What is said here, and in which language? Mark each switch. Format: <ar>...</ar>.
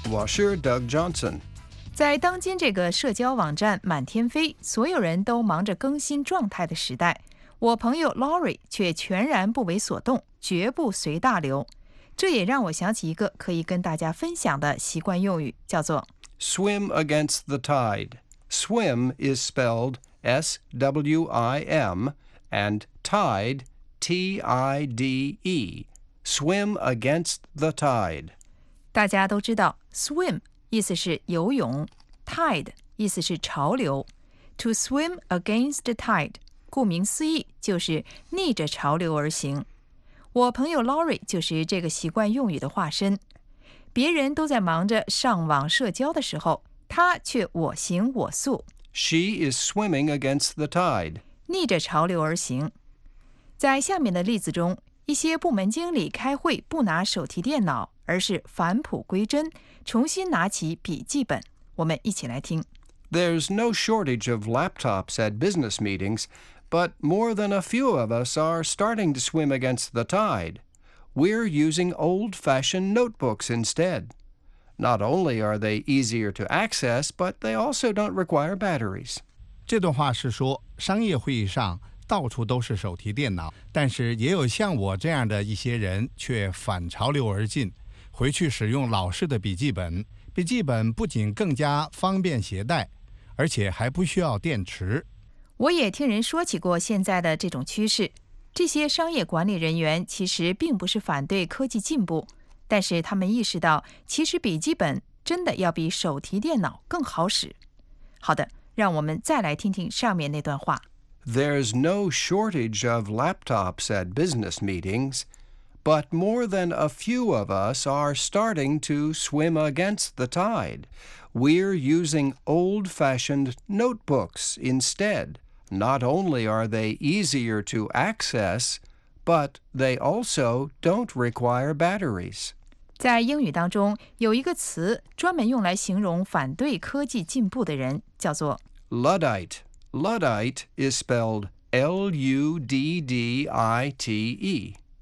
<zh>我是 Doug Johnson 在当今这个社交网站满天飞所有人都忙着更新状态的时代我朋友 Laurie 却全然不为所动绝不随大流这也让我想起一个可以跟大家分享的习惯用语叫做</zh> <en>Swim against the tideSwim is spelled S-W-I-M and tide, T-I-D-E. Swim against the tide.</en> <zh>大家都知道 swim 意思是游泳 tide 意思是潮流</zh> <en>To swim against the tide,</en> <zh>顾名思义就是逆着潮流而行。我朋友 Laurie 就是这个习惯用语的化身。别人都在忙着上网社交的时候她却我行我素。</zh> <en>She is swimming against the tide.</en> <zh>逆着潮流而行。在下面的例子中，一些部门经理开会不拿手提电脑，而是返璞归真，重新拿起笔记本。我们一起来听。</zh> <en>There's no shortage of laptops at business meetings, but more than a few of us are starting to swim against the tide. We're using old-fashioned notebooks instead. Not only are they easier to access, but they also don't require batteries.</en> <zh>这段话是说，商业会议上到处都是手提电脑，但是也有像我这样的一些人却反潮流而进，回去使用老式的笔记本。笔记本不仅更加方便携带，而且还不需要电池。我也听人说起过现在的这种趋势，这些商业管理人员其实并不是反对科技进步。但是他们意识到，其实笔记本真的要比手提电脑更好使。好的，让我们再来听听上面那段话。</zh> <en>There's no shortage of laptops at business meetings, but more than a few of us are starting to swim against the tide. We're using old-fashioned notebooks instead. Not only are they easier to access, but they also don't require batteries.</en> <zh>在英语当中有一个词专门用来形容反对科技进步的人叫做</zh> <en>Luddite. Luddite is spelled L-U-D-D-I-T-E.</en>